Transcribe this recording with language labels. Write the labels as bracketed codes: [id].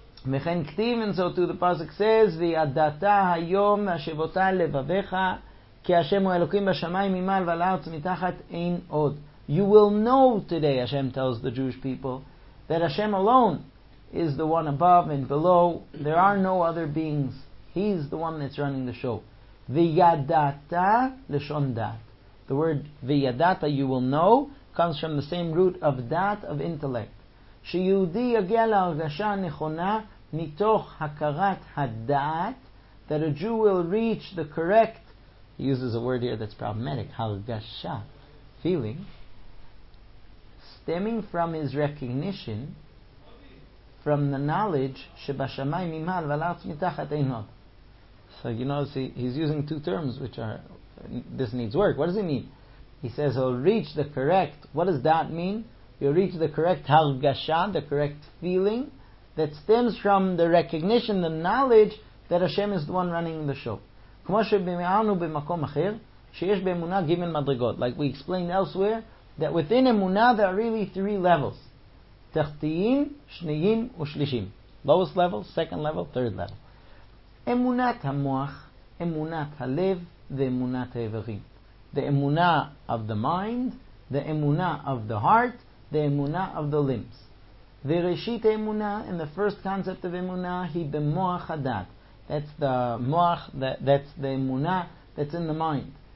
[he] וכן כתיב, [en] and so too the pasuk says, [he] וידעתה היום השבותה לבביך, כי השם הוא אלוקים בשמיים ממעל ועל הארץ מתחת אין עוד. [en] You will know today, Hashem tells the Jewish people, that Hashem alone is the one above and below. There are no other beings. He's the one that's running the show. [he] V'yadata l'shon dat. [en] The word v'yadata, you will know, comes from the same root of dat, of intellect. [he] Sheyudi yagia l'argasha nechona mitoch hakarat hadat, [en] that a Jew will reach the correct, he uses a word here that's problematic, hargasha, feeling, stemming from his recognition, from the knowledge, [he] shebashamayim mimal v'alatz mitachat einot. [en] So you notice he's using two terms which are, this needs work. What does he mean? He says he'll reach the correct, what does that mean? You'll reach the correct hargasha, the correct feeling, that stems from the recognition, the knowledge, that Hashem is the one running the show. [he] כמו שבמענו במקום אחר, שיש באמונה גימל מדרגות. [en] Like we explained elsewhere, that within Emuna there are really three levels. [he] תחתיים, שניים ושלישים. [en] Lowest level, second level, third level. [he] אמונת המוח, אמונת הלב, ואמונת האיברים. [en] The Emuna of the mind, the Emuna of the heart, the Emuna of the limbs. [he] וראשית האמונה, [en] and the first concept of Emuna, [he] היא במוח הדת. [en] That's the moach, that's the emuna, that's in the mind.